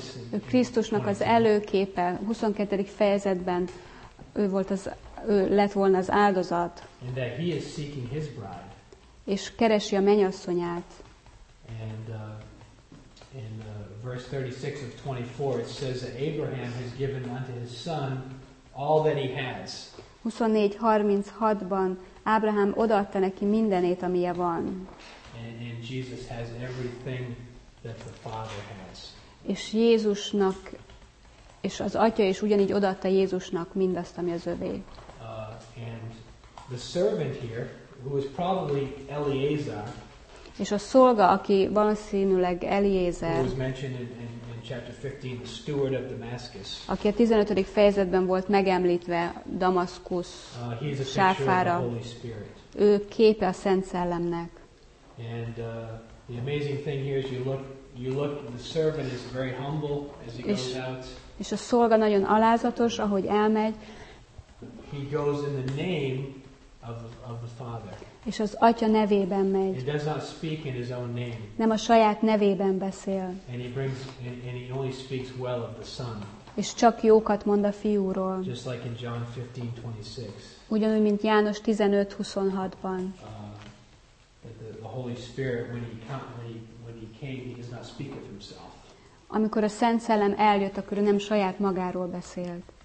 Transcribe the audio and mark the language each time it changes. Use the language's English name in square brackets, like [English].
[Hungarian] Ő Krisztusnak az előképe, 22. fejezetben ő lett volna az áldozat. [English] And that he is seeking his bride. [Hungarian] És keresi a menyasszonyát. [English] And in verse 36 of 24 it says that Abraham has given unto his son all that he has. [Hungarian] 24:36-ban Ábrahám odaadta neki mindenét, amije van. [English] And Jesus has everything that the Father has. [Hungarian] És Jézusnak, és az Atya is ugyanígy odaadta Jézusnak mindazt, ami az övé. [English] And the servant here, who is probably Eliezer. [Hungarian] És a szolga, aki valószínűleg Eliezer. [English] Who was mentioned in chapter 15, the steward of Damascus. [Hungarian] Aki a 15. fejezetben volt megemlítve Damaszkusz sáfára. Ő képe a Szent Szellemnek. [English] And the amazing thing here is you look the servant is very humble as he goes out. [Hungarian] És a szolga nagyon alázatos, ahogy elmegy. [English] He goes in the name of the Father. [Hungarian] És az Atya nevében megy. [English] He does not speak in his own name. [Hungarian] Nem a saját nevében beszél. [English] And he brings, and he only speaks well of the Son. [Hungarian] És csak jókat mond a fiúról. [English] Just like in John 15:26. [Hungarian] Ugyanúgy, mint János 15:26-ban. [English] The Holy Spirit, when he came, he does not speak of himself. [Hungarian] Amikor a Szent Szellem eljött, akkor ő nem saját magáról beszélt.